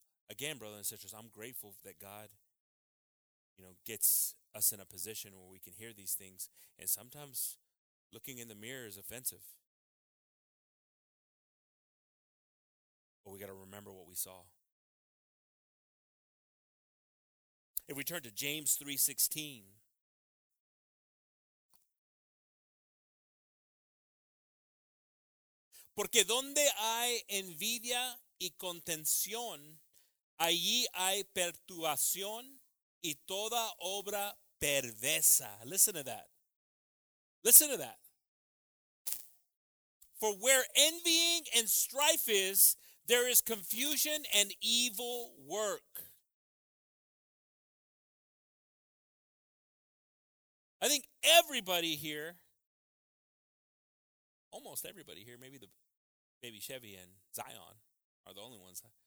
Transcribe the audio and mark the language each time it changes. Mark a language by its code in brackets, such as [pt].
[en] Again, brothers and sisters, I'm grateful that God, you know, gets us in a position where we can hear these things. And sometimes looking in the mirror is offensive. But we got to remember what we saw. If we turn to James 3:16, [es] porque donde hay envidia y contención, allí hay perturbación y toda obra perversa. [en] Listen to that. Listen to that. For where envying and strife is, there is confusion and evil work. I think everybody here, almost everybody here, maybe Chevy and Zion are the only ones.